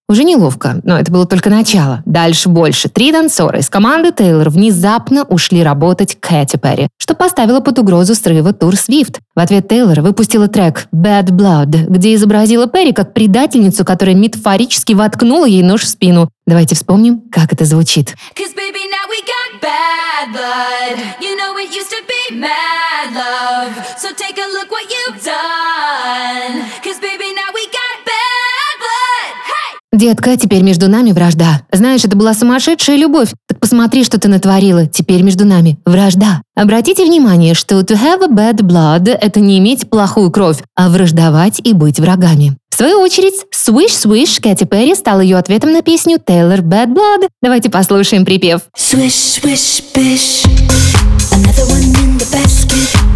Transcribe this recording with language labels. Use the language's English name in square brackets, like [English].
[Russian] Уже неловко, но это было только начало. Дальше больше. 3 танцора из команды Тейлор внезапно ушли работать к Кэти Перри, что поставило под угрозу срыва тур Свифт. В ответ Тейлор выпустила трек «Bad Blood», где изобразила Перри как предательницу, которая метафорически воткнула ей нож в спину. Давайте вспомним, как это звучит. [English] Bad blood, you know it used to be mad love, so take a look what you've done, cause baby now we got bad blood, hey! [Russian] Детка, теперь между нами вражда. Знаешь, это была сумасшедшая любовь, так посмотри, что ты натворила, теперь между нами вражда. Обратите внимание, что [English] to have a bad blood [Russian] – это не иметь плохую кровь, а враждовать и быть врагами. В свою очередь, Swish Swish Кэти Перри стал ее ответом на песню Taylor Bad Blood. Давайте послушаем припев. [English] Swish, swish, bish. Another one in the basket.